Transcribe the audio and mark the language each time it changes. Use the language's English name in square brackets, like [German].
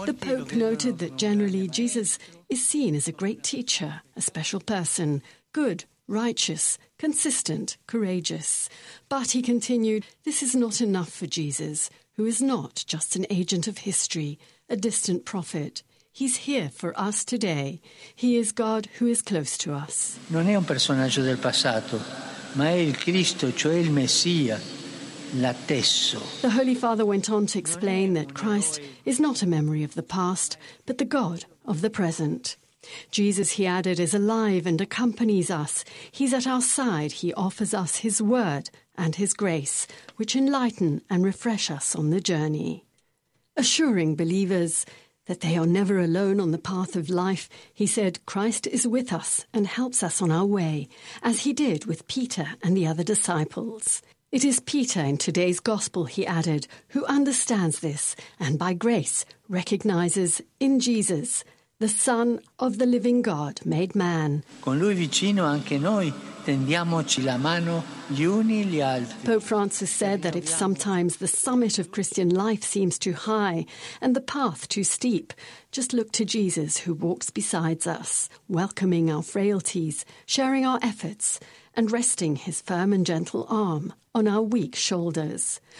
[English] The Pope noted that generally Jesus is seen as a great teacher, a special person, good, righteous, consistent, courageous. But he continued, this is not enough for Jesus, who is not just an agent of history, a distant prophet. He's here for us today. He is God who is close to us. [Italian] Non è un personaggio del passato, ma è il Cristo, cioè il Messia, l'attesso. [English] The Holy Father went on to explain that Christ is not a memory of the past, but the God of the present. Jesus, he added, is alive and accompanies us. He's at our side. He offers us his word and his grace, which enlighten and refresh us on the journey. Assuring believers that they are never alone on the path of life, he said, Christ is with us and helps us on our way, as he did with Peter and the other disciples. It is Peter in today's gospel, he added, who understands this and by grace recognizes in Jesus the Son of the living God made man. [Italian] Con lui vicino anche noi tendiamoci la mano gli uni gli altri. [English] Pope Francis said that if sometimes the summit of Christian life seems too high and the path too steep, just look to Jesus who walks beside us, welcoming our frailties, sharing our efforts, and resting his firm and gentle arm on our weak shoulders.